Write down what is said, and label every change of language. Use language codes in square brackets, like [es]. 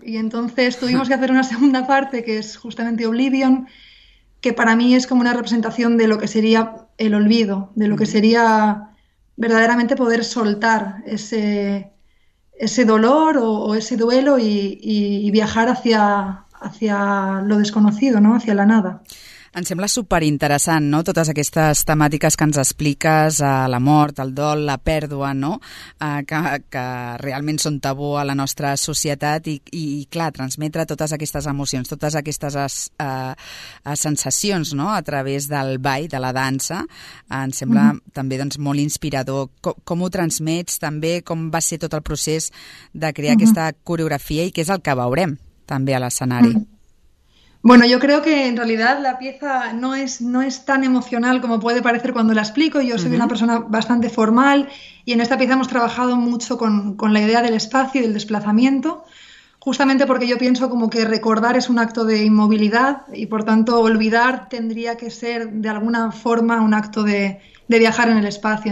[es] Y entonces tuvimos que hacer una segunda parte, que es justamente Oblivion, que para mí es como una representación de lo que sería el olvido, de lo que sería verdaderamente poder soltar ese dolor o ese duelo y viajar hacia lo desconocido, no? Hacia la nada. [ca] Em sembla superinteressant, no? Totes aquestes temàtiques que ens expliques, la mort, el dol, la pèrdua, no? Que realment són tabú a la nostra societat i clar, transmetre totes aquestes emocions, totes aquestes sensacions, no? A través del ball, de la dansa, em sembla també doncs, molt inspirador. Com ho transmets també? Com va ser tot el procés de crear aquesta coreografia i què és el que veurem? [es] También al escenario. Bueno, yo creo que en realidad la pieza no es tan emocional como puede parecer cuando la explico. Yo soy una persona bastante formal y en esta pieza hemos trabajado mucho con la idea del espacio y del desplazamiento, justamente porque yo pienso como que recordar es un acto de inmovilidad y por tanto olvidar tendría que ser de alguna forma un acto de viajar en el espacio.